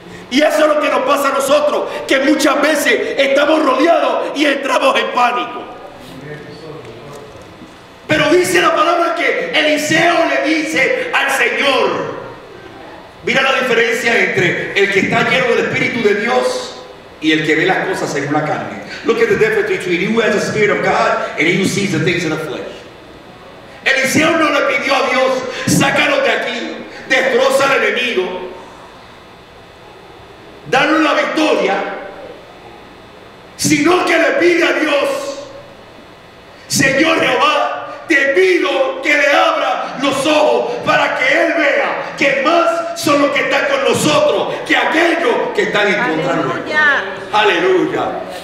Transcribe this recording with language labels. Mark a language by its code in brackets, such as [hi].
[es] Y eso es lo que nos pasa a nosotros, que muchas veces estamos rodeados y entramos en pánico. Pero dice la palabra que Eliseo le dice al Señor, mira la diferencia entre el que está lleno del Espíritu de Dios y el que ve las cosas según la carne. [en] Look at the difference between you as the Spirit of God and you see the things in the flesh. [es] Eliseo no le pidió a Dios, sácalo de aquí, destroza al enemigo, darle la victoria, sino que le pide a Dios, Señor Jehová, te pido que le abra los ojos para que él vea que más son los que están con nosotros que aquellos que están en contra de nosotros. Aleluya.